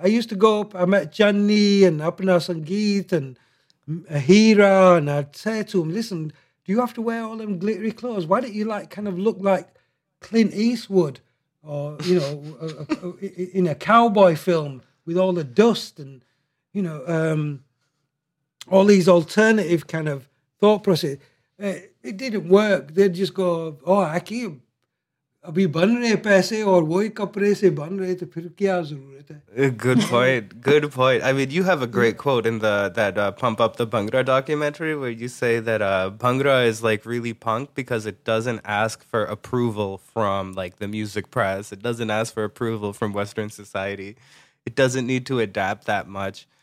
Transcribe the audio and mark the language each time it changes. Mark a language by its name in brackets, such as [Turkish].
[English] I used to go up, I met Channi and Aparna Sangeet and Ahira, and I'd say to them, listen, do you have to wear all them glittery clothes? Why don't you, like, kind of look like Clint Eastwood or, you know, in a cowboy film with all the dust and, you know, all these alternative kind of thought process. It didn't work. [Urdu] اوہ، آکی، ابھی بن رہے پیسے اور وہی کپڑے سے بن رہے تھے، پھر کیا ضرورت ہے؟ [English] Good point. Good point. I mean, you have a great quote in that Pump Up the Bhangra documentary where you say that Bhangra is like really punk because it doesn't ask for approval from like the music press. It doesn't ask for approval from Western society. It doesn't need to adapt that much.